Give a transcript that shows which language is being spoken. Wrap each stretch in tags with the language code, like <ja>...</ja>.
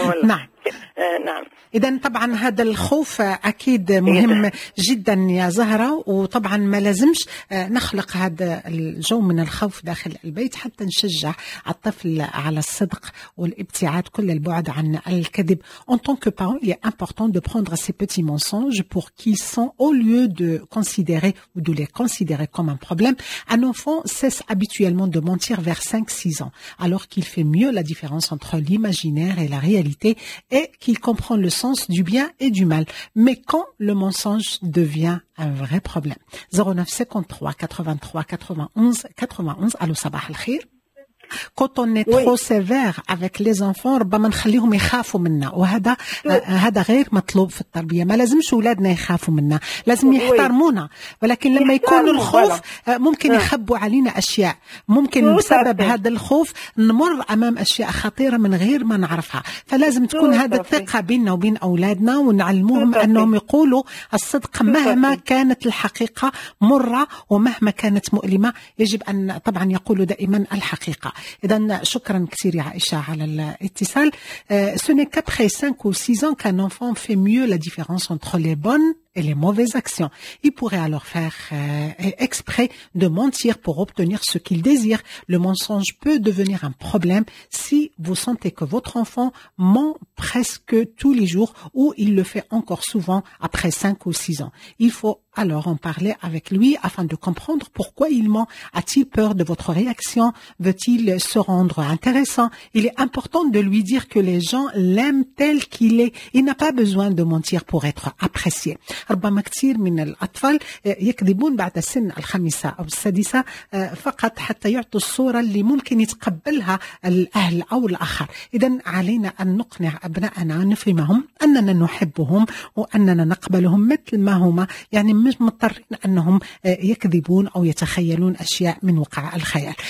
<ar>نعم. إذا طبعا هذا الخوف أكيد مهم جدا يا زهرة، وطبعا ما لازمش نخلق هذا الجو من الخوف داخل البيت، حتى نشجع الطفل على الصدق والابتعاد كل البعد عن الكذب.</ar> <fr>En tant que parent, il est important de prendre ces petits mensonges pour qu'ils sont, au lieu de considérer ou de les considérer comme un problème, un enfant cesse habituellement de mentir vers 5-6 ans, alors qu'il fait mieux la différence entre l'imaginaire et la réalité et qu'il comprend le sens du bien et du mal. Mais quand le mensonge devient un vrai problème. 09 53 83 91 91. Allô,</fr> <ar>sabah al-khir.</ar> <fr>Quand on est trop sévère avec les enfants,</fr> <ar>ربما نخليهم يخافوا منا، وهذا هذا غير مطلوب في التربية. ما لازمش أولادنا يخافوا منا، لازم يحترمونا، ولكن لما يكون الخوف ممكن يخبوا علينا أشياء، ممكن بسبب هذا الخوف نمر أمام أشياء خطيرة من غير ما نعرفها. فلازم تكون هذا الثقة بيننا وبين أولادنا، ونعلمهم أنهم يقولوا الصدق مهما كانت الحقيقة مرة ومهما كانت مؤلمة، يجب أن طبعا يقولوا دائما الحقيقة. إذن شكرا كثير يا عائشة على الاتصال.</ar> <fr>Ce n'est qu'après 5 ou 6 ans qu'un enfant fait mieux la différence entre les bonnes et les mauvaises actions. Il pourrait alors faire exprès de mentir pour obtenir ce qu'il désire. Le mensonge peut devenir un problème si vous sentez que votre enfant ment presque tous les jours ou il le fait encore souvent après 5 ou 6 ans. Il faut alors en parler avec lui afin de comprendre pourquoi il ment. A-t-il peur de votre réaction? Veut-il se rendre intéressant? Il est important de lui dire que les gens l'aiment tel qu'il est. Il n'a pas besoin de mentir pour être apprécié.</fr> <ar>ربما كثير من الأطفال يكذبون بعد سن الخامسة أو السادسة فقط حتى يعطوا الصورة اللي ممكن يتقبلها الأهل أو الآخر. إذن علينا أن نقنع أبناءنا، نفهمهم أننا نحبهم وأننا نقبلهم مثل ما هما، يعني مش مضطرين أنهم يكذبون أو يتخيلون أشياء من وقع الخيال.</ar>